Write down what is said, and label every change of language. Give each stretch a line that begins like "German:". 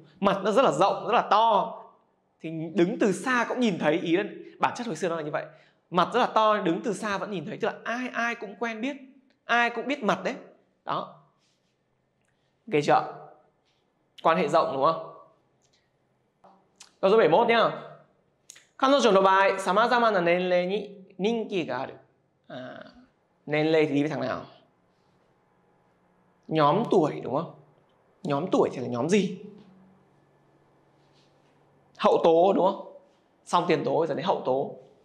Vietnamese: Mặt nó rất là rộng, rất là to. Thì đứng từ xa cũng nhìn thấy, ý là bản chất hồi xưa nó là như vậy. Mặt rất là to, đứng từ xa vẫn nhìn thấy. Tức là ai ai cũng quen biết, ai cũng biết mặt đấy. Đó. Ghê chưa? Quan hệ rộng đúng không? Câu số 71 nhá.
Japanese: 彼女の場合, 様々な年齢に 人気がある.
Vietnamese: À, 年齢 thì đi với thằng nào? Nhóm tuổi đúng không? Nhóm tuổi thì là nhóm gì? Hậu tố đúng không? Xong tiền tố rồi đến hậu tố.